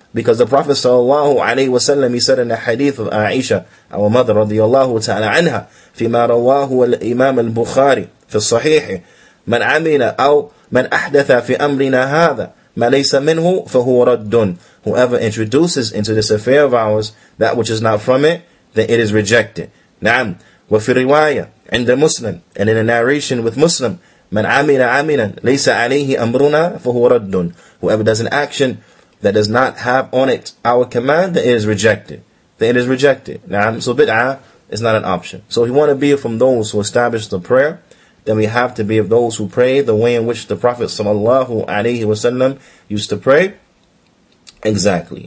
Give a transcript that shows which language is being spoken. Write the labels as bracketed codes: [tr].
[en] Because the Prophet sallallahu alayhi wa sallam, he said in the hadith of Aisha, our mother radiyallahu ta'ala anha, [ar] فِيمَا رَوَّاهُ الْإِمَامُ الْبُخَارِ فِي الصَّحِيحِ مَنْ عَمِلَ أَوْ مَنْ أَحْدَثَ فِي أَمْرِنَا هَذَا مَا لَيْسَ مِنْهُ فَهُوَ رَدٌّ. [en] Whoever introduces into this affair of ours that which is not from it, then it is rejected. [ar] نعم. وَفِي الرِّوَايَةِ عِنْدَ مُسْلِمٍ. [en] And in a narration with Muslim, [ar] مَنْ عَمِلَ عَمِلًا لَيْسَ عَلَيْهِ أَمْرُنَا فَهُوَ رَدٌّ. [en] Whoever does an action that does not have on it our command, then it is rejected. Then it is rejected. نعم. So bid'ah is not an option. So if you want to be from those who establish the prayer, then we have to be of those who pray the way in which the Prophet sallallahu alayhi wasallam used to pray. Exactly.